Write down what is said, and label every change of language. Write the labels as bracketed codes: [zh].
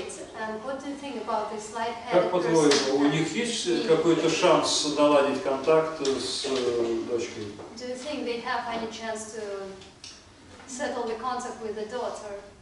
[en] Well, it's great. And what do you think about this light-headed person? [ru] У них есть какой-то шанс наладить контакт с дочкой? [en] Do you think they have any chance to settle the contact with the daughter?